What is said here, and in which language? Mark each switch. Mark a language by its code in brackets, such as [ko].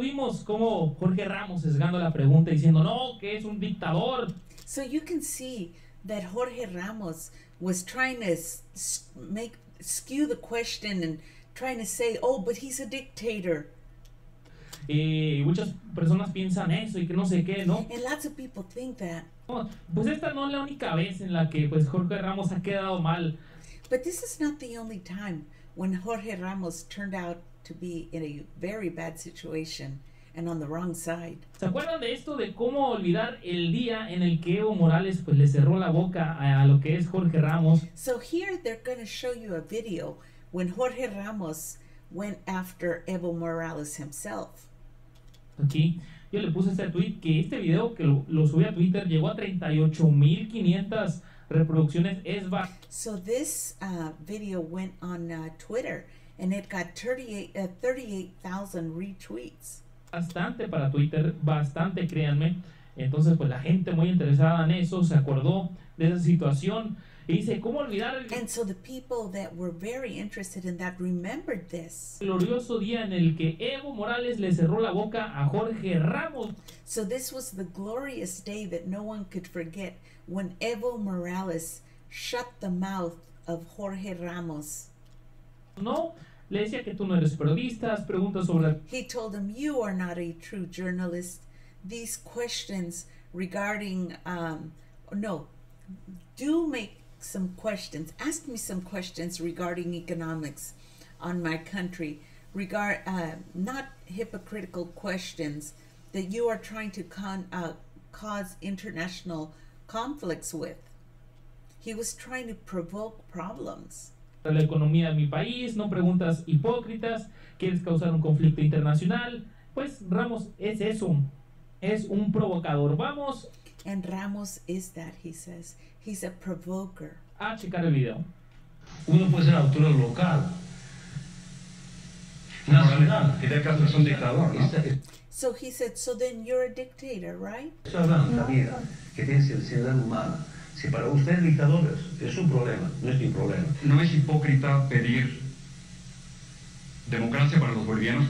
[es] Vimos cómo Jorge Ramos sesgando la pregunta diciendo, no, que es un dictador. [en] So you can see that Jorge Ramos was trying to skew the question and trying to say, oh, but he's a dictator. [es] Y muchas personas piensan eso y que no sé qué, ¿no? [en] And lots of people think that. [es] Pues esta no es la única vez en la que pues Jorge Ramos ha quedado mal. [en] But this is not the only time when Jorge Ramos turned out to be in a very bad situation and on the wrong side. [es] ¿Se acuerdan de esto de cómo olvidar el día en el que Evo Morales pues le cerró la boca a lo que es Jorge Ramos? [en] So here they're going to show you a video when Jorge Ramos went after Evo Morales himself. [es] Aquí yo le puse este tweet que este video que lo subí a Twitter llegó a 38,500 reproducciones. Es [en] So this video went on Twitter and it got 38,000 retweets. [es] Bastante para Twitter, bastante, créanme. Entonces, pues la gente muy interesada en eso se acordó de esa situación y dice, ¿cómo olvidar el... [en] And so the people that were very interested in that remembered this. [es] El glorioso día en el que Evo Morales le cerró la boca a Jorge Ramos. [en] So this was the glorious day that no one could forget when Evo Morales shut the mouth of Jorge Ramos. [es] No, le decía que tú no eres periodista, pregunta sobre... [en] He told him, you are not a true journalist. These questions regarding, ask me some questions regarding economics on my country, not hypocritical questions that you are trying to cause international conflicts with. He was trying to provoke problems. [es] La economía de mi país, no preguntas hipócritas, quieres causar un conflicto internacional, pues Ramos es eso. Es un provocador. Vamos. [en] And Ramos is that, he says. He's a provoker. [es] A checar el video. Uno puede ser autor del local. No, no, no. En el caso es un dictador, ¿no? [en] So he said, so then you're a dictator, right? [es] Eso es una mierda que tiene sensibilidad humana. Si para usted es dictador, es un problema. No es mi problema. No es hipócrita pedir democracia para los bolivianos.